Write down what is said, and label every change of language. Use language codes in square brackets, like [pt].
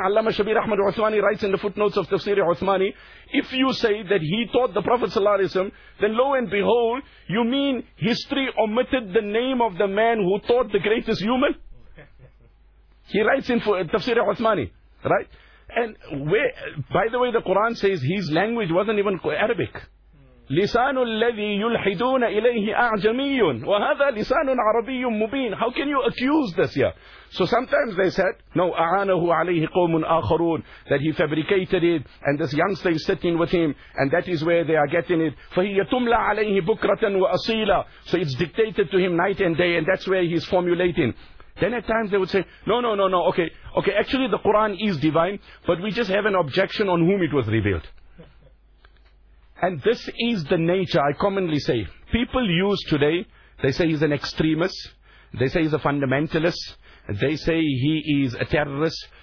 [en] Allama Shabir Ahmad Uthmani writes in the footnotes of Tafsir Uthmani, if you say that he taught the Prophet Sallallahu Alaihi Wasallam, then lo and behold, you mean history omitted the name of the man who taught the greatest human? He writes in Tafsir Uthmani, right? And where, by the way, the Quran says his language wasn't even Arabic. [ar] لسان الذي يلحدون إليه أعجمي وهذا لسان عربي مبين. [en] How can you accuse this here? So sometimes they said, no, [ar] أعانه عليه قوم آخرون, [en] that he fabricated it, and this youngster is sitting with him, and that is where they are getting it. [ar] فهي تملى عليه بكرة وأصيلة. [en] So it's dictated to him night and day, and that's where he's formulating. Then at times they would say, no, okay, actually the Quran is divine, but we just have an objection on whom it was revealed. And this is the nature, I commonly say, people use today, they say he's an extremist, they say he's a fundamentalist, they say he is a terrorist.